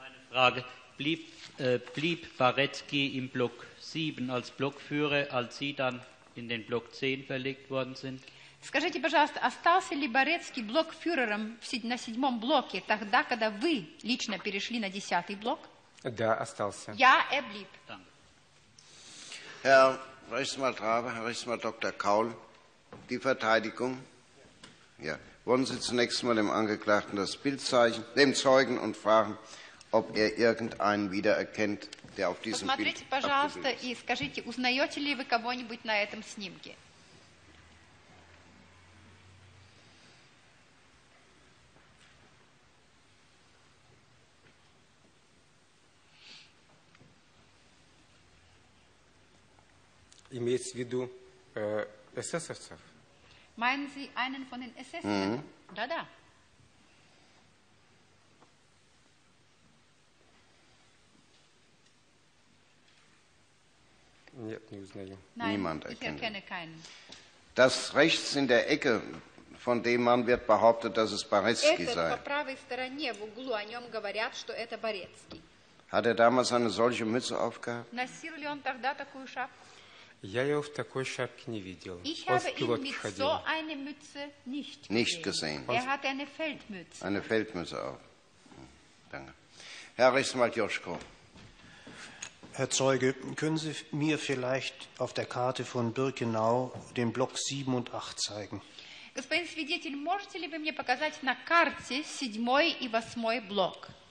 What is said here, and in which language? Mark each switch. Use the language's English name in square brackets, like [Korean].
[German] Frage. Blieb Baretzky im Block 7 als Blockführer, als Sie dann in den Block 10 verlegt worden sind? [Russian] Скажите, пожалуйста, остался ли Борецкий блокфюрером на седьмом блоке тогда, когда вы лично перешли на десятый блок? Да, остался. Я и блиб. [German] Herr Rechtsanwalt Rabe, Herr Rechtsanwalt Dr. Kaul, die Verteidigung. Ja. Wollen Sie zunächst mal dem Angeklagten das Bild zeigen, dem Zeugen und fragen, ob irgendeinen wiedererkennt, der auf diesem Bild abgebildet ist. [Russian] Посмотрите, пожалуйста, и скажите, узнаете ли вы кого-нибудь на этом снимке? Имеется в виду эсэсовцев? [German] Meinen Sie einen von den эсэсовцев? [Russian] Mm-hmm. Да-да. Нет, не узнаю. [German] Nein, ich erkenne keinen. Das rechts in der Ecke, von dem Mann wird behauptet, dass es Борецкий sei. [Russian] Этот по правой стороне, в углу, о нем говорят, что это Борецкий. [German] Hat damals eine solche Mütze aufgehabt? [Russian] Носил ли он тогда такую шапку? Я его в такой шапке не видел. [German] Ich habe ihn mit so einer Mütze nicht gesehen. Hat eine Feldmütze. Eine Feldmütze auch. Danke. Herr Rechtsanwalt Joschko. Herr Zeuge, können Sie mir vielleicht auf der Karte von Birkenau den Block 7 und 8 zeigen? [Russian] Господин свидетель, можете ли вы мне показать на карте седьмой и восьмой блок?